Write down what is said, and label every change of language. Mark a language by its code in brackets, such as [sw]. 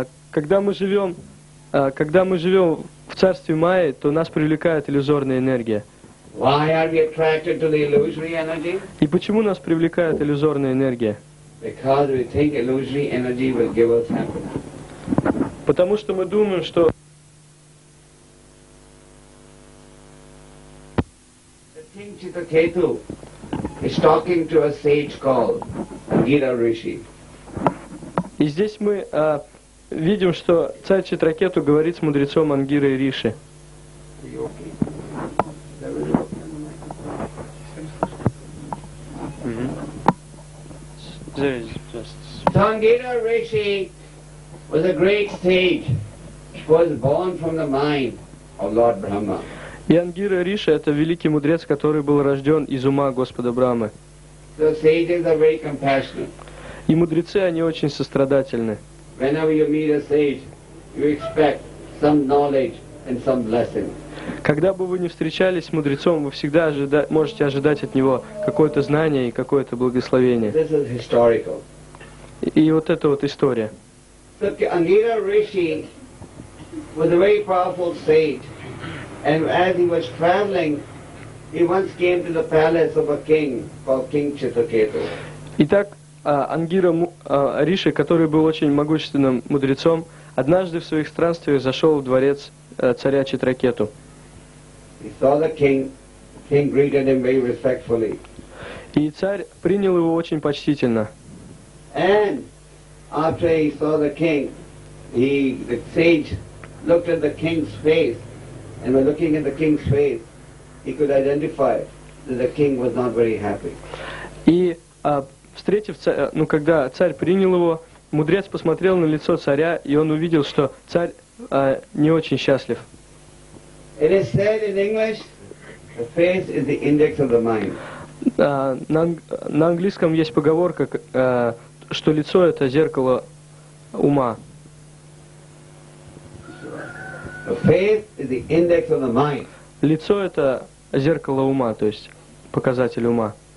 [ru] Когда мы живем в царстве Майи, то нас привлекает иллюзорная энергия. [en] Why are we attracted to the illusory energy? [ru] И почему нас привлекает иллюзорная энергия? [en] Because we think illusory energy will give us happiness. [ru] Потому что мы думаем, что [en] Chitraketu is talking to a sage called Gira Rishi. [ru] И здесь мы видим, что царь Читракету говорит с мудрецом Ангирой Риши. [en] So Ангира Риши was a great sage who was born from the mind of Lord Brahma. [ru] Янгира Риша – это великий мудрец, который был рожден из ума Господа Брамы. [en] So sages are very compassionate. [ru] И мудрецы, они очень сострадательны. [en] Whenever you meet a sage, you expect some knowledge and some blessing. [ru] Когда бы вы ни встречались с мудрецом, вы всегда можете ожидать от него какое-то знание и какое-то благословение. [en] This is historical. [ru] И вот это вот история. [en] So, Angira Rishi was a very powerful sage, and as he was traveling, he once came to the palace of a king called King Chitraketu. [ru] Итак, Ангира Риши, который был очень могущественным мудрецом, однажды в своих странствиях зашел в дворец царя Читракету. [en] He saw the king. The king greeted him very respectfully. [ru] И царь принял его очень почтительно. [en] And after he saw the king, the sage looked at the king's face, and by looking at the king's face, he could identify that the king was not very happy. [ru] И встретив царя, ну когда царь принял его, мудрец посмотрел на лицо царя, и он увидел, что царь не очень счастлив. [en] It is said in English, the face is the index of the mind. [ru] На английском есть поговорка, что лицо – это зеркало ума. [en] The face is the index of the mind. [ru] Лицо – это зеркало ума, то есть показатель ума.